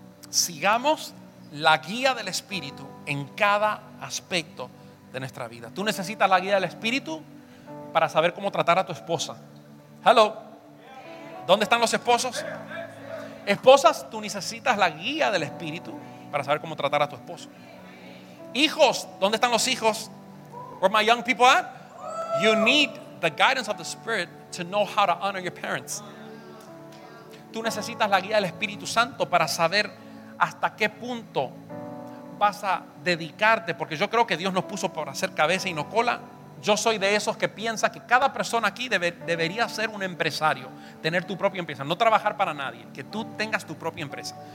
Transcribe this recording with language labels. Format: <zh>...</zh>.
<es>Sigamos la guía del Espíritu en cada aspecto de nuestra vida. Tú necesitas la guía del Espíritu para saber cómo tratar a tu esposa. Hello. ¿Dónde están los esposos? Esposas, tú necesitas la guía del Espíritu para saber cómo tratar a tu esposo. Hijos, ¿dónde están los hijos?</es> <en>Where my young people at? You need the guidance of the Spirit to know how to honor your parents.</en> <es>Tú necesitas la guía del Espíritu Santo para saber hasta qué punto vas a dedicarte, porque yo creo que Dios nos puso para hacer cabeza y no cola. Yo soy de esos que piensa que cada persona aquí debería ser un empresario, tener tu propia empresa, no trabajar para nadie, que tú tengas tu propia empresa.</es>